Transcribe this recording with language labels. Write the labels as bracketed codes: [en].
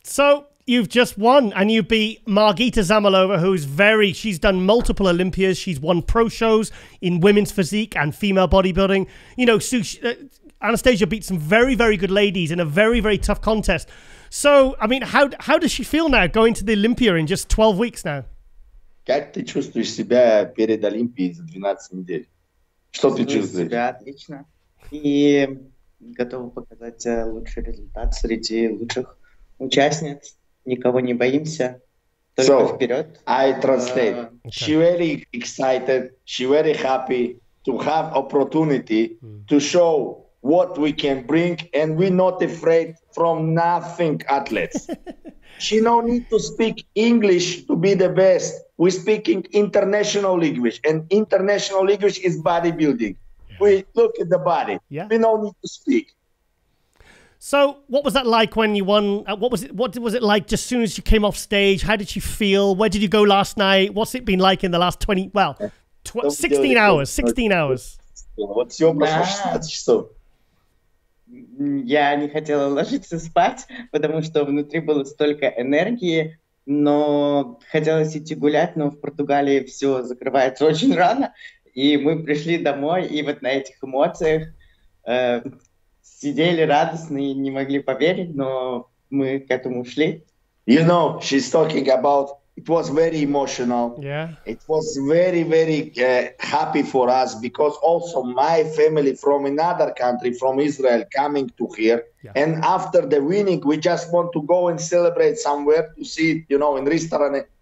[en] So you've just won, and you beat Margita Zamalova, who's very, she's done multiple Olympias. She's won pro shows in women's physique and female bodybuilding. You know, Anastasia beat some very, very good ladies in a very, very tough contest. So, I mean, how does she feel now going to the Olympia in just 12 weeks now? [ru] Как ты чувствуешь себя перед Олимпией за 12 недель? Что ты чувствуешь? Себя отлично. И готова показать лучший результат среди лучших участниц. Никого не боимся. Только [en] so, [ru] вперед. [en] I translate. She very excited. She very happy to have opportunity to show what we can bring, and we're not afraid from nothing, athletes. She no need to speak English to be the best. We're speaking international language, and international language is bodybuilding. Yeah. We look at the body. Yeah. We no need to speak. So what was that like when you won? What was it like just as soon as you came off stage? How did you feel? Where did you go last night? What's it been like in the last 16 hours. What's your profession? [ru] Я не хотела ложиться спать, потому что внутри было столько энергии, но хотелось идти гулять, но в Португалии все закрывается очень рано, и мы пришли домой, и вот на этих эмоциях сидели радостные, не могли поверить, но мы к этому шли. [en] You know, she's talking about, it was very emotional. Yeah. It was very, very happy for us because also my family from another country, from Israel, coming to here. Yeah. And after the winning, we just want to go and celebrate somewhere to see, you know, in restaurant.